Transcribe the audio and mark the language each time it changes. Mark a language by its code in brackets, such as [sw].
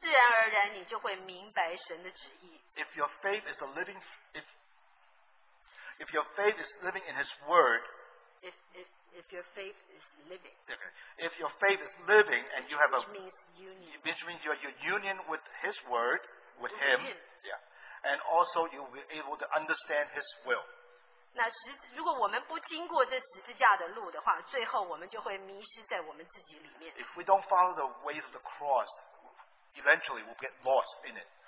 [zh] 你的信心若是活的话，也就是与主联合的话，自然而然你就会明白神的旨意。 [en] If your faith is a living, if your faith is living in His Word, if your faith is living, okay. If your faith is living and you have which means your union with His Word, with Him, yeah, and also you'll be able to understand His will. [zh] 那如果我们不经过这十字架的路的话，最后我们就会迷失在我们自己里面。 [en] If we don't follow the ways of the cross, eventually we'll get lost in it.